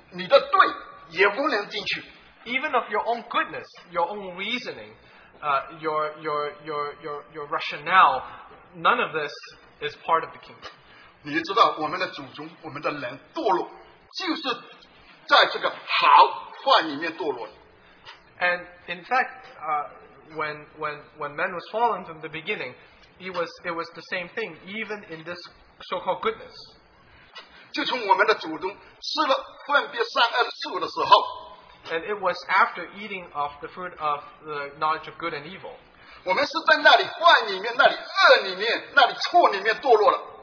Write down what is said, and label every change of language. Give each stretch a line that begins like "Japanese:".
Chinese: 就是包括你的好,你的有道理,你的对,也不能进去.
English: Even of your own goodness, your own reasoning, your rationale, none of this is part of the kingdom.
Chinese: 你知道我们的祖宗,我们的人堕落,就是在这个好坏里面堕落的.
English: And in fact, when man was fallen from the beginning, it was the same thing, even in this so-called goodness.
Chinese: 就从我们的祖宗吃了分别善恶树的时候,
English: and it was after eating of the fruit of the knowledge of good and evil.
Chinese: 我们是在那里坏里面,那里恶里面,那里错里面堕落了.